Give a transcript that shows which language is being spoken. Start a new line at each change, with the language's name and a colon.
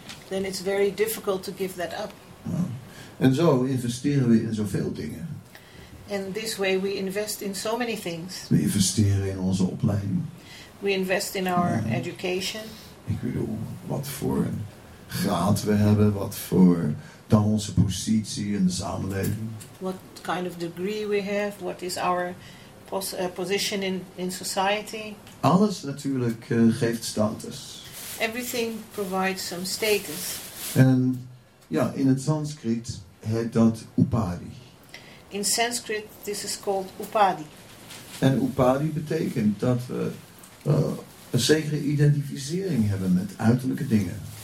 English: Then it's very difficult to give that up.
Dutch: Ja. En zo investeren we in zoveel dingen.
English: And this way we invest in so many things.
Dutch: We investeren in onze opleiding.
English: We invest in our education.
Dutch: Ik bedoel, wat voor graad we hebben, wat voor dan onze positie in de samenleving.
English: What kind of degree we have, what is our position in society.
Dutch: Alles natuurlijk geeft status.
English: Everything provides some status.
Dutch: En ja, in het Sanskriet heet dat upadhi.
English: In Sanskrit, this is called upadhi.
Dutch: En upadhi betekent dat we een zekere identificering hebben met uiterlijke dingen.